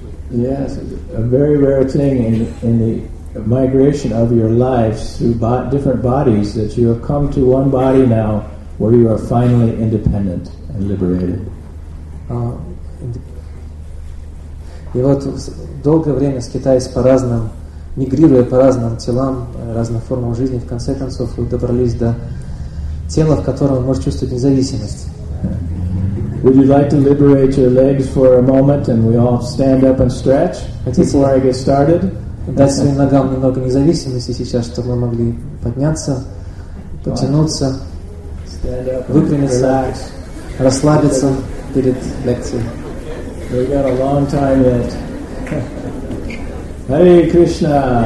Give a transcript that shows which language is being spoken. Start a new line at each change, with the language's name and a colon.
English: Yes, a very rare thing in the migration of your lives through different bodies that you have come to one body now where you are finally independent and liberated.
Russian: И вот долгое время скитаясь по разным, мигрируя по разным телам, разным формам жизни, в конце концов вы добрались до тела, в котором вы можете чувствовать независимость.
English: Would you like to liberate your legs for a moment and we all stand up and stretch before I get started?
Russian: Дать своим ногам немного независимости сейчас, чтобы мы могли подняться, потянуться, выпрямиться, расслабиться перед лекцией.
English: We've got a long time yet. Hare Krishna!